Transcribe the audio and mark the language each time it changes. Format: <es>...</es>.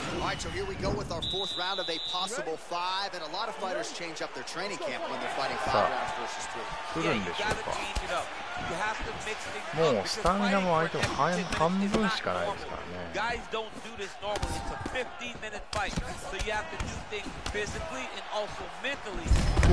<en>Alright, so here we go with our fourth round of a possible five, and a lot of fighters change up their training camp when they're fighting five rounds versus two.</en> <ja>くるんでしょうか。もうスタミナも相手も半分しかないですからね。</ja> <en>Guys don't do this normally. It's a 15-minute fight, so you have to do things physically and also mentally.</en>